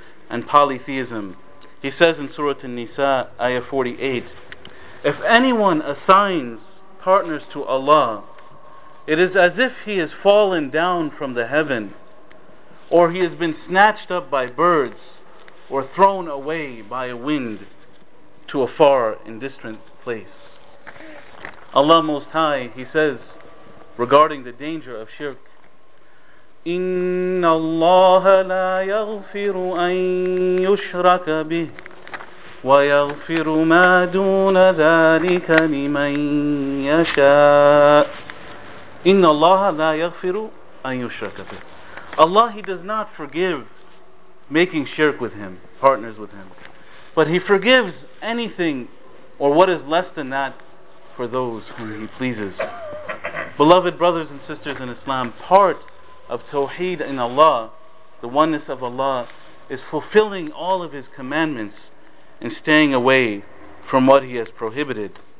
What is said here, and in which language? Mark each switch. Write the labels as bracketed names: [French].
[English] and polytheism. He says in Surah An-Nisa, Ayah 48, if anyone assigns partners to Allah, it is as if he has fallen down from the heaven, or he has been snatched up by birds, or thrown away by a wind to a far and distant place. Allah Most High, He says, regarding the danger of shirk, [Arabic] إِنَّ اللَّهَ لَا يَغْفِرُ أَن يُشْرَكَ بِهِ وَيَغْفِرُ مَا دُونَ ذَلِكَ لِمَن يَشَاءُ إِنَّ اللَّهَ لَا يَغْفِرُ أَن يُشْرَكَ بِهِ. [English] Allah, He does not forgive making shirk with Him, partners with Him, but He forgives anything or what is less than that for those whom He pleases. Beloved brothers and sisters in Islam, part of Tawheed in Allah, the oneness of Allah, is fulfilling all of His commandments and staying away from what He has prohibited.